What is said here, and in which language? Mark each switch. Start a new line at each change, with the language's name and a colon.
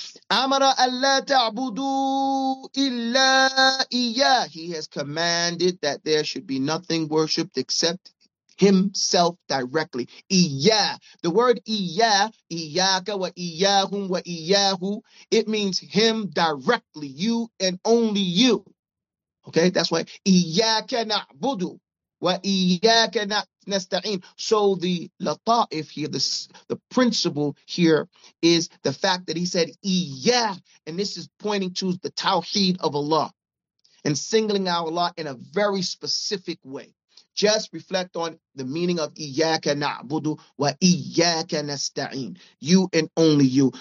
Arabic: أَمَرَ أَلَّا تَعْبُدُوا إِلَّا إِيَّا.
English: He has commanded that there should be nothing worshipped except himself directly.
Arabic: إِيَّا.
English: The word إِيَّا,
Arabic: إِيَّاكَ وَإِيَّاهُمْ وَإِيَّاهُ,
English: it means him directly, you and only you. Okay, that's why
Arabic: إِيَّاكَ نَعْبُدُوا وَإِيَّاكَ نَسْتَعِينُ.
English: So the lataif here, the principle here is the fact that he said إِيَّا, and this is pointing to the tawheed of Allah and singling out Allah in a very specific way. Just reflect on the meaning of
Arabic: إِيَّاكَ نَعْبُدُ وَإِيَّاكَ نَسْتَعِينُ,
English: you and only you.